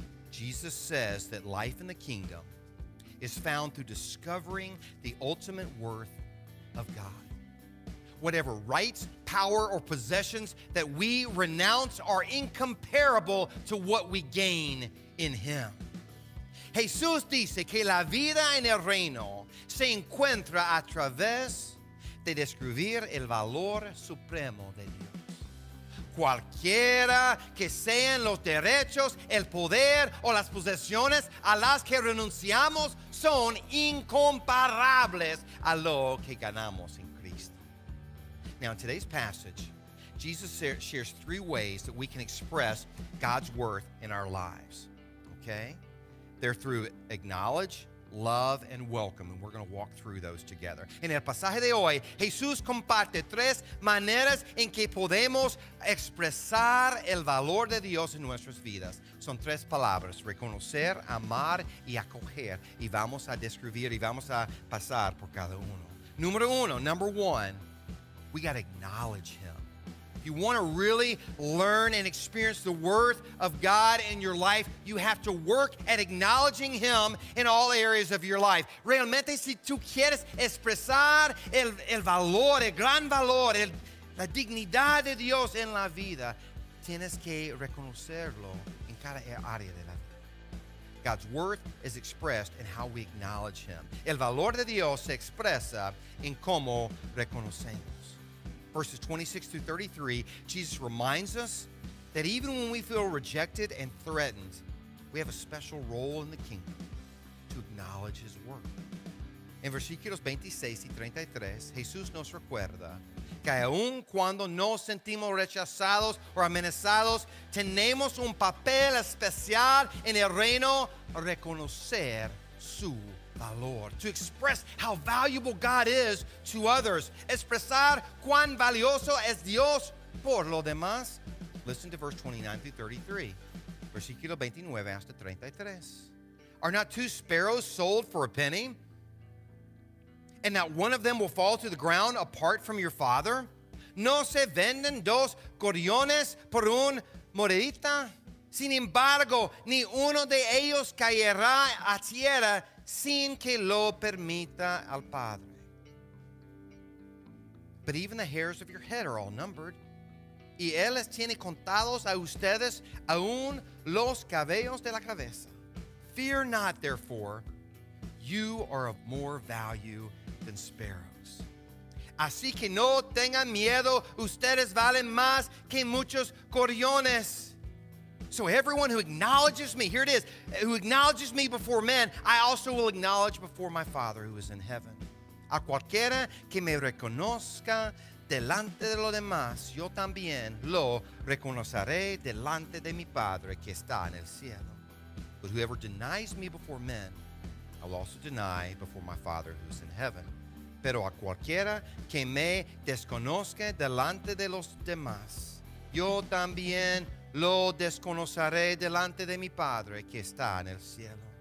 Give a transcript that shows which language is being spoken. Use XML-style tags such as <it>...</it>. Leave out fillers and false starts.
<en>Jesus says that life in the kingdom is found through discovering the ultimate worth of God. Whatever rights, power, or possessions that we renounce are incomparable to what we gain in Him.</en> <es>Jesús dice que la vida en el reino se encuentra a través de descubrir el valor supremo de Dios. Cualquiera que sean los derechos, el poder o las posesiones a las que renunciamos son incomparables a lo que ganamos en Cristo.</es> <en>Now, in today's passage, Jesus shares three ways that we can express God's worth in our lives. Okay? They're through acknowledge, love, and welcome. And we're going to walk through those together.</en> <es>En el pasaje de hoy, Jesús comparte tres maneras en que podemos expresar el valor de Dios en nuestras vidas. Son tres palabras: reconocer, amar y acoger. Y vamos a describir y vamos a pasar por cada uno. Número uno,</es> <en>number one, we got to acknowledge Him. You want to really learn and experience the worth of God in your life, you have to work at acknowledging Him in all areas of your life.</en> <es>Realmente, si tú quieres expresar el valor, el gran valor, la dignidad de Dios en la vida, tienes que reconocerlo en cada área de la vida.</es> <en>God's worth is expressed in how we acknowledge Him.</en> <es>El valor de Dios se expresa en cómo reconocemos.</es> <en>Verses 26 through 33, Jesus reminds us that even when we feel rejected and threatened, we have a special role in the kingdom to acknowledge His work.</en> <es>En versículos 26 y 33, Jesús nos recuerda que aun cuando nos sentimos rechazados o amenazados, tenemos un papel especial en el reino, reconocer su valor,</es> <en>to express how valuable God is to others.</en> <es>Expresar cuán valioso es Dios por lo demás.</es> <en>Listen to verse 29 through 33.</en> <es>Versículo 29 hasta 33.</es> <en>Are not two sparrows sold for a penny? And not one of them will fall to the ground apart from your Father?</en> <es>No se venden dos gorriones por un monedita? Sin embargo, ni uno de ellos caerá a tierra sin que lo permita al Padre.</es> <en>But even the hairs of your head are all numbered.</en> <es>Y Él les tiene contados a ustedes aún los cabellos de la cabeza.</es> <en>Fear not, therefore, you are of more value than sparrows.</en> <es>Así que no tengan miedo, ustedes valen más que muchos gorriones.</es> <en>So everyone who acknowledges me, here it is, who acknowledges me before men, I also will acknowledge before my Father who is in heaven.</en> <es>A cualquiera que me reconozca delante de los demás, yo también lo reconoceré delante de mi Padre que está en el cielo.</es> <en>But whoever denies me before men, I will also deny before my Father who is in heaven.</en> <es>Pero a cualquiera que me desconozca delante de los demás, yo también lo desconoceré delante de mi Padre que está en el cielo.</es>